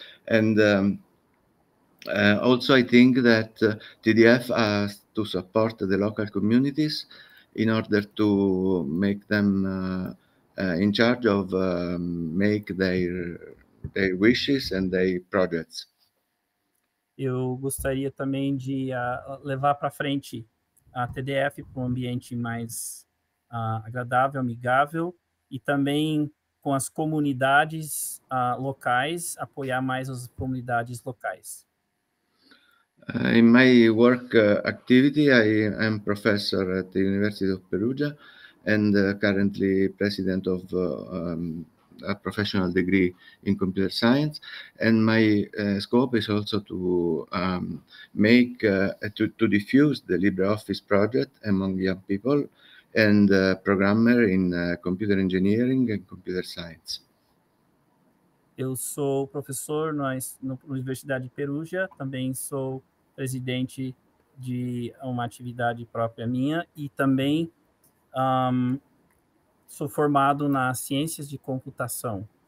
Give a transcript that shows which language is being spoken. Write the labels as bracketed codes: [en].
[en] And also I think that TDF has to support the local communities in order to make them in charge of make their wishes and their projects. [pt] Eu gostaria também de levar para frente a TDF para um ambiente mais agradável, amigável, e também com as comunidades locais, apoiar mais as comunidades locais. [en] In my work activity, I am professor at the University of Perugia and currently president of a professional degree in computer science. And my scope is also to to diffuse the LibreOffice project among young people and programmer in computer engineering and computer science. [pt] Eu sou professor na Universidade de Perugia, também sou presidente de uma atividade própria minha e também sou formado nas ciências de computação.